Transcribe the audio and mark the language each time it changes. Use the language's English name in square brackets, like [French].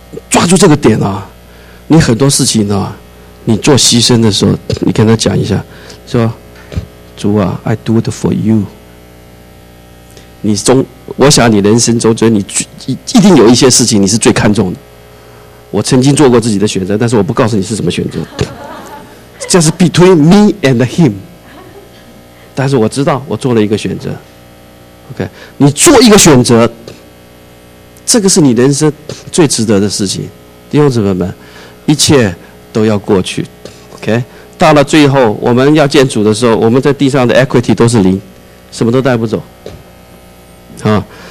[Chinese] 抓住这个点啊，你很多事情啊，你做牺牲的时候，你跟他讲一下，说主啊 ， [English] I do it for you。 [Chinese] 你中，我想你人生中，觉得你一定有一些事情你是最看重的。我曾经做过自己的选择，但是我不告诉你是什么选择。这是 [English] between me and him。 [Chinese] 但是我知道我做了一个选择。OK， 你做一个选择，这个是你人生最值得的事情。弟兄姊妹们，一切都要过去 OK， 到了最后我们要见主的时候，我们在地上的 equity 都是零，什么都带不走啊。